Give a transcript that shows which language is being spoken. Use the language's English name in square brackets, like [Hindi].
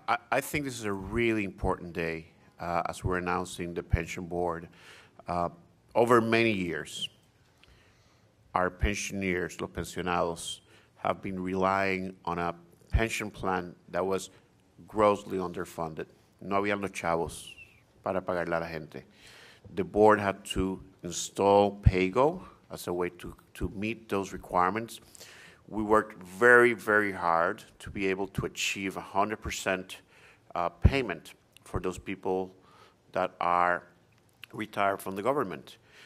[English] I think this is a really important day as we're announcing the pension board. Over many years, our pensioners, [Spanish] los pensionados, [English] have been relying on a pension plan that was grossly underfunded. [Spanish] No había los chavos para pagarle a la gente. [English] The board had to install PAYGO as a way to meet those requirements. We worked very, very hard to be able to achieve 100% payment for those people that are retired from the government.